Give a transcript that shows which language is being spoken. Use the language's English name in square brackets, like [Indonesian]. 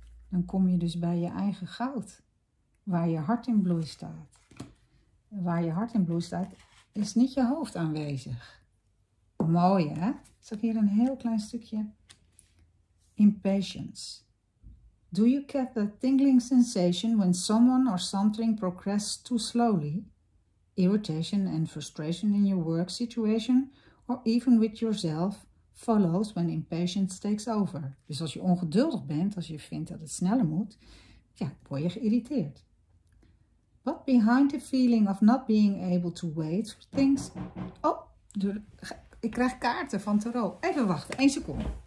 [Dutch] Dan kom je dus bij je eigen goud. Waar je hart in bloei staat. En waar je hart in bloei staat, is niet je hoofd aanwezig. Mooi, hè? Zag hier een heel klein stukje. [English] Impatience. Do you get the tingling sensation when someone or something progresses too slowly? Irritation and frustration in your work situation or even with yourself follows when impatience takes over. [Dutch] Dus als je ongeduldig bent, als je vindt dat het sneller moet, ja, word je geïrriteerd. [English] What behind the feeling of not being able to wait for things? [Dutch] Oh, ik krijg kaarten van Tarot. Even wachten, 1 seconde.